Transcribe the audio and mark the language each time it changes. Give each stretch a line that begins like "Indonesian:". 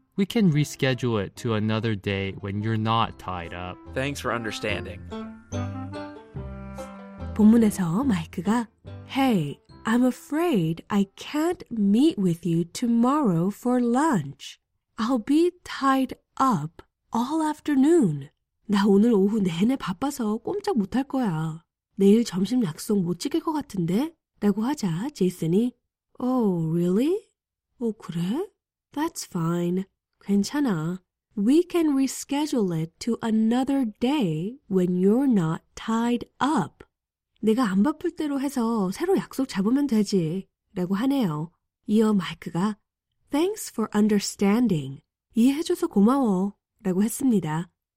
English: We can reschedule it to another day when you're not tied up. Thanks for understanding.
Korean: 본문에서 마이크가
English: Hey, I'm afraid I can't meet with you tomorrow for lunch. I'll be tied up all afternoon.
Korean: 나 오늘 오후 내내 바빠서 꼼짝 못할 거야. 내일 점심 약속 못 지킬 것 같은데? 라고 하자 제이슨이
English: Oh, really?
Korean: 어, 그래?
English: That's fine.
Korean: 괜찮아.
English: We can reschedule it to another day when you're not tied up.
Korean: 내가 안 바쁠 때로 해서 새로 약속 잡으면 되지. 라고 하네요. 이어 마이크가
English: Thanks for understanding.
Korean: 이해해줘서 고마워 라고 했습니다.